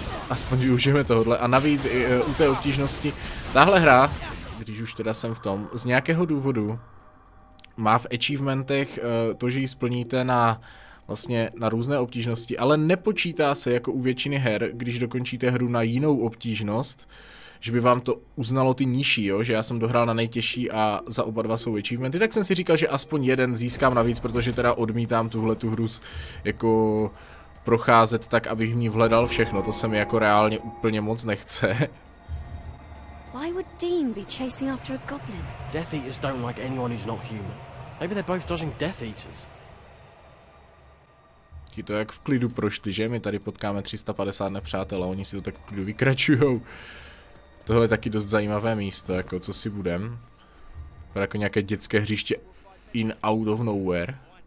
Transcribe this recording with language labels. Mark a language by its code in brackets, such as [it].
[cs] Aspoň využijeme tohle. A navíc i u té obtížnosti. Tahle hra, když už teda jsem v tom, z nějakého důvodu má v achievementech to, že ji splníte na vlastně na různé obtížnosti, ale nepočítá se jako u většiny her, když dokončíte hru na jinou obtížnost, že by vám to uznalo ty nižší, jo? Že já jsem dohrál na nejtěžší a za oba dva jsou achievementy, tak jsem si říkal, že aspoň jeden získám navíc, protože teda odmítám tuhle tu hru s, jako procházet tak, abych v ní vhledal všechno, to se mi jako reálně úplně moc nechce. [en] Why would Dean be chasing after a goblin? Death Eaters don't like anyone who's not human. Maybe they're both dodging Death Eaters. [cs] Ti to jak v klidu prošli, že? My tady potkáme 350 nepřátel a oni si to tak v klidu vykračujou. Tohle je taky dost zajímavé místo, jako co si budem. To je jako nějaké dětské hřiště [en] in out of nowhere.